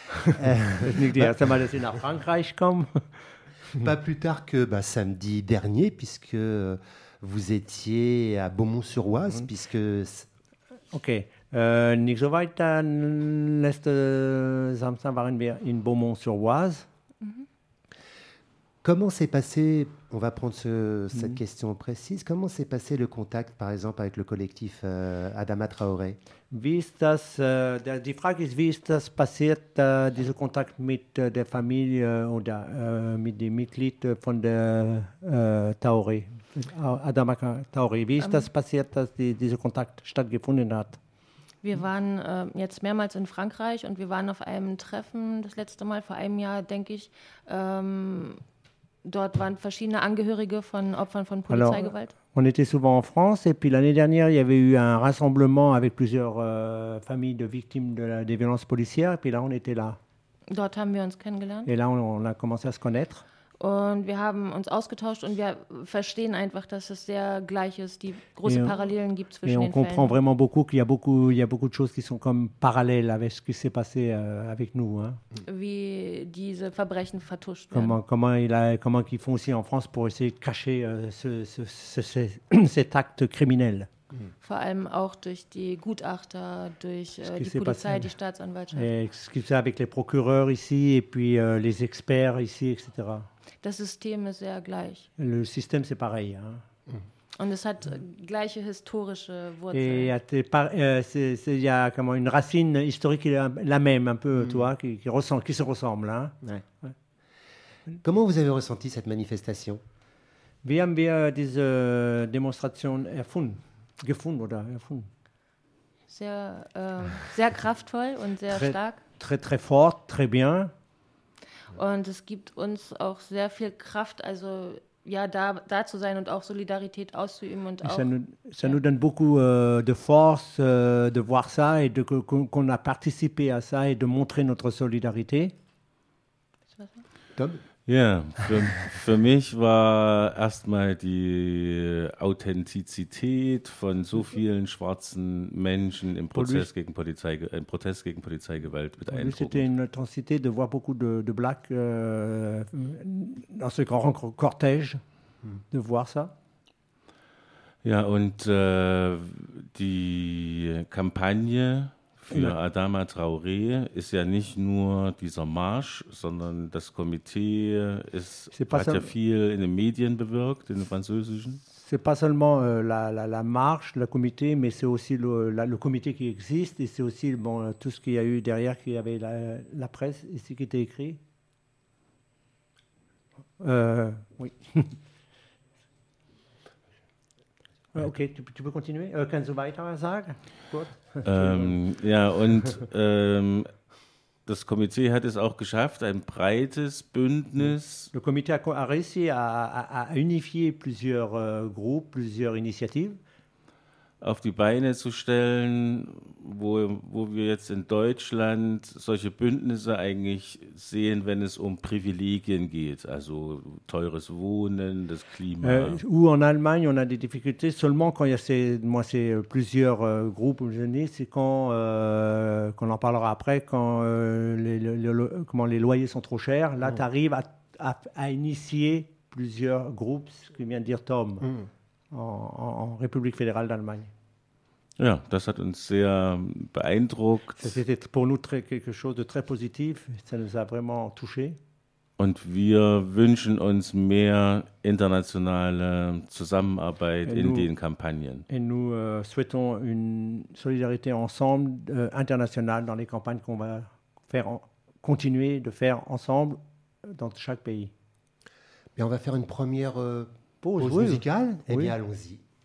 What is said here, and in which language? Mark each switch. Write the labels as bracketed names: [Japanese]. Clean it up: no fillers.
[German] Das ist nicht das erste Mal, dass ich nach Frankreich komme. [French] Pas plus tard que samedi dernier, puisque vous étiez à Beaumont-sur-Oise, puisque... [German] Okay, nicht so weit, dann letzten Samstag waren wir in Beaumont-sur-Oise. [French] Comment s'est passé, on va prendre cette question précise, comment s'est passé le contact, par exemple, avec le collectif Adama Traoré? [German] Wie ist das, die Frage ist, wie ist das passiert, dieser Kontakt mit der Familie oder mit den Mitgliedern von der Traoré? Adama Traoré, wie ist das passiert, dass dieser Kontakt stattgefunden hat? Wir waren jetzt mehrmals in Frankreich und wir waren auf einem Treffen das letzte Mal vor einem Jahr, denke ich. Dort waren verschiedene Angehörige von Opfern von Polizeigewalt. [French] On était souvent en France et puis l'année dernière, il y avait eu un rassemblement avec plusieurs familles de victimes des violences policières et puis là, on était là. [German] Dort haben wir uns kennengelernt. [French] Et là, on a commencé à se connaître. [German] Und wir haben uns ausgetauscht und wir verstehen einfach, dass es sehr gleich ist, die großen Parallelen gibt zwischen den Fällen. [French] Et on comprend vraiment beaucoup qu'il y a beaucoup, il y a beaucoup de choses qui sont comme parallèles avec ce qui s'est passé avec nous. Hein. [German] Wie diese Verbrechen vertuscht [French] comment, [German] werden. [French] Comment, il a, comment ils font aussi en France pour essayer de cacher cet acte criminel. [German] Vor allem auch durch die Gutachter, durch die Polizei, die Staatsanwaltschaft. [French] Ce qui se passe avec les procureurs ici et puis les experts ici, etc. [German] Das System ist sehr gleich. [French] Le système, c'est pareil. Hein. [German] Und es hat gleiche historische Wurzeln. [French] Et il y a comment, une racine historique la même, un peu, tu vois, qui se ressemble. Hein. Ouais. Ouais. Comment vous avez ressenti cette manifestation? [German] Wie haben wir diese Demonstration erfunden? Gefunden oder erfunden? Sehr, sehr kraftvoll und sehr [French] très, [German] stark. [French] Très, très fort, très bien. [German] Und es gibt uns auch sehr viel Kraft, also ja, da zu sein und auch Solidarität auszuüben. Und auch, [French] ça nous donne beaucoup de force de voir ça et de, qu'on a participé à ça et de montrer notre Solidarité. Tom? [German] Ja, für mich war erstmal die Authentizität von so vielen schwarzen Menschen im Prozess gegen Polizei, im Protest gegen Polizeigewalt mit beeindruckend. [French] C'était une intensité de voir beaucoup de blacks dans ce grand cortège, de voir ça. [German] Ja, und die Kampagne für Adama Traoré ist ja nicht nur dieser Marsch, sondern das Komitee hat ja viel in den Medien bewirkt, in den französischen. [French] C'est pas seulement la marche, le comité, mais c'est aussi le comité qui existe et c'est aussi bon, tout ce qu'il y a eu derrière, qu'il y avait la presse ici qui était écrit. Oui. Okay, du peux continuer. [German] Kannst du weiter sagen? Gut. ja, und das Komitee hat es auch geschafft, ein breites Bündnis. [French] Le comité a réussi à unifier plusieurs groupes, plusieurs initiatives. [German] Auf die Beine zu stellen, wo wir jetzt in Deutschland solche Bündnisse eigentlich sehen, wenn es um Privilegien geht, also teures Wohnen, das Klima. [French] Où en Allemagne on a des difficultés seulement quand il y a ces plusieurs groupes, je ne sais, c'est quand qu'on en parlera après, quand comment les loyers sont trop chers, là tu arrives à initier plusieurs groupes, ce que vient de dire Tom. Mm. En République fédérale d'Allemagne. [German] Ja, das hat uns sehr beeindruckt. Das ist [French] pour nous très quelque chose de très positif, ça nous a vraiment touché. [German] Und wir wünschen uns mehr internationale Zusammenarbeit in den Kampagnen. [French] Et nous souhaitons une solidarité ensemble internationale dans les campagnes qu'on va continuer de faire ensemble dans chaque pays. Mais on va faire une première pause musicale, oui. Eh bien, allons-y.